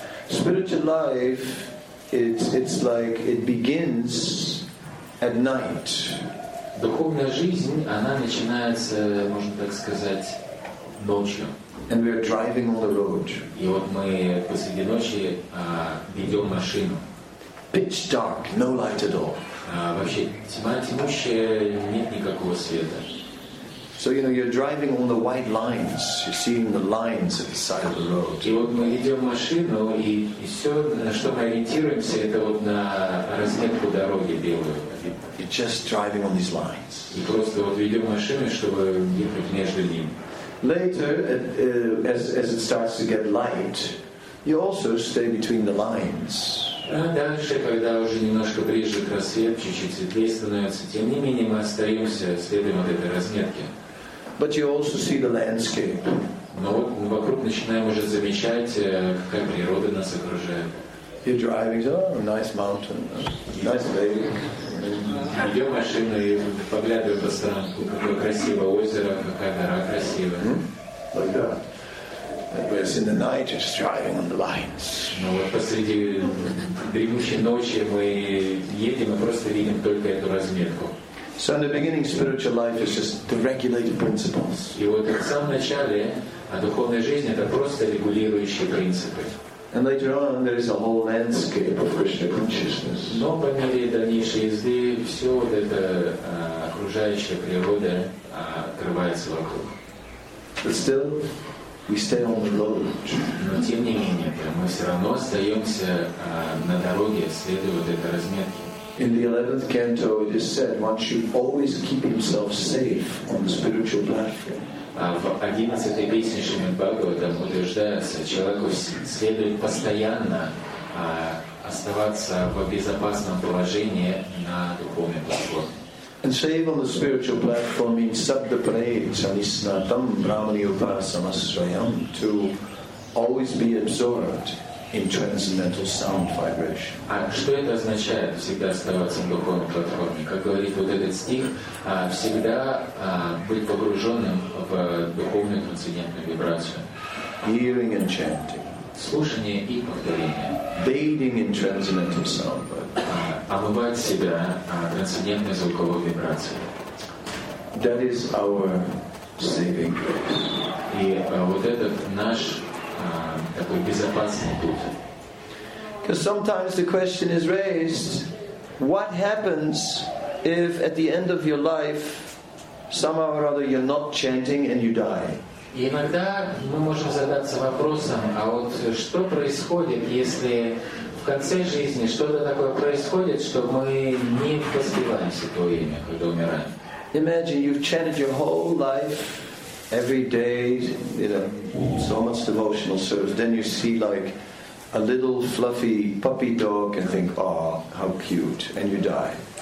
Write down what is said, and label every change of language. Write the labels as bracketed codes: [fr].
[en] Spiritual life, it's like it begins at night. [ru] Духовная жизнь, она начинается, можно так сказать, ночью. [en] And we are driving on the road. [ru] И вот мы посреди ночи ведем машину. [en] Pitch dark, no light at all. [ru] Вообще тьма тьмущая, нет никакого света. [en] So you know you're driving on the white lines. You're seeing the lines at the side of the road. [ru] И вот мы ведем машину, и все, на что мы ориентируемся, это вот на разметку дороги белую. [en] You're just driving on these lines. [ru] И просто вот ведем машину, чтобы ехать между ними. [en] Later, as it starts to get light, you also stay between the lines. [ru] А дальше, когда уже немножко ближе к рассвету, чуть-чуть светлее становится, тем не менее мы остаемся, следуем вот этой разметке. [en] But you also see the landscape. [ru] Но вот мы вокруг начинаем уже замечать, какая природа нас окружает. [en] You're driving, oh, nice mountain, nice lake. [ru] Идем машину и поглядываю по сторонам, какое красивое озеро, какая гора красивая. [en] Whereas in the night you're just driving on the lines. [ru] Но вот посреди дремущей ночи мы едем и просто видим только эту разметку. [en] So in the beginning, spiritual life is just the regulated principles. [ru] И вот в самом начале, а духовная жизнь это просто регулирующие принципы. [en] And later on, there is a whole landscape of Krishna consciousness. [ru] Но по мере дальнейшей езды все вот это окружающая природа открывается вокруг. [en] But still, we stay on the road. [ru] Но тем не менее, мы все равно остаемся на дороге, следуя вот этой разметке. [en] In the 11th canto, it is said one should always keep himself safe on the spiritual platform. [ru] В 11-й песне Шримад Бхагаватам утверждается, человеку следует постоянно оставаться в безопасном положении на духовной платформе. [en] And safe on the spiritual platform means sabdapraetanisnatam brahmaniupasamasrayam, to always be absorbed in transcendental sound vibration. [ru] А что это означает всегда оставаться на духовной платформе? Как говорит вот этот стих, всегда быть погруженным в духовную трансцендентную вибрацию. [en] Hearing and chanting. [ru] Слушание и повторение. [en] Bathing in transcendental sound vibration. [ru] Омывать себя трансцендентной звуковой вибрацией. [en] That is our saving grace. [ru] И вот этот наш такой безопасный путь. [en] Because sometimes the question is raised, what happens if at the end of your life, somehow or other, you're not chanting and you die? [ru] И иногда мы можем задаться вопросом, а вот что происходит, если в конце жизни что-то такое происходит, что мы не воспеваемся то имя, когда умираем? [en] Imagine you've chanted your whole life. Every day, you know, so much devotional service. Then you see like a little fluffy puppy dog and think, oh, how cute, and you die.